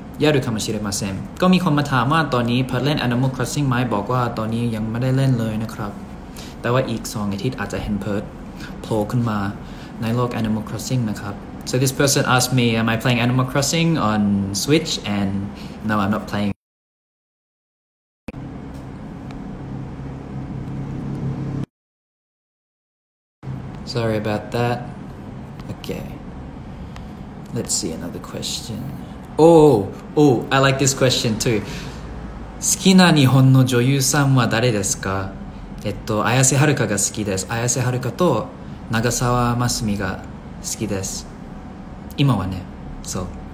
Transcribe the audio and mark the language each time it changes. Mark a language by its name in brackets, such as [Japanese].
[Thai] ยารุคามาชิเรมาเซมก็มีคนมาถามว่าตอนนี้เพิ่งเล่น Animal Crossing ไหมบอกว่าตอนนี้ยังไม่ได้เล่นเลยนะครับแต่ว่าอีก2อาทิตย์อาจจะเห็นเพิร์ทโผล่ขึ้นมาในโลก Animal Crossing นะครับ [English] So this person asked me am I playing Animal Crossing on Switch and no I'm not playing Sorry about that Okay Let's see another questionOh, I like this question too. [Japanese] 好きな日本の女優さんは誰ですか？綾瀬はるかが好きです。綾瀬はるかと長澤まさみが好きです。今はね、そう。